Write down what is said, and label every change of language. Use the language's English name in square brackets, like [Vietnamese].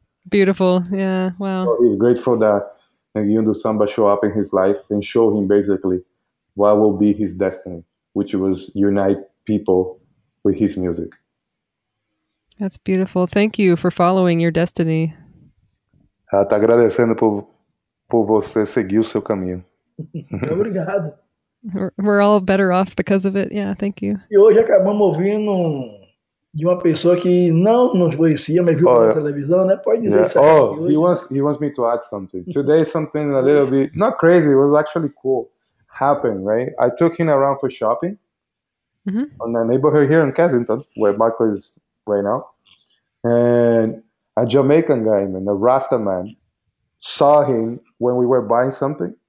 [English] Beautiful, yeah. Wow. So he's grateful that Neguinho do Samba show up in his life and show him basically what will be his destiny, which was unite people with his music. That's beautiful. Thank you for following your destiny. [Portuguese] Ela está agradecendo por você seguir o seu caminho. Obrigado. [English] We're all better off because of it. Yeah, thank you. [Portuguese] E hoje acabamos ouvindo de uma pessoa que não nos conhecia, mas viu pela televisão, né? Pode dizer isso. [English] Oh, he wants me to add something. Today something a little bit, not crazy, it was actually cool, happened, right? I took him around for shopping on the neighborhood here in Kensington, where Marco is right now. And a Jamaican guy, man, a Rasta man, saw him when we were buying something.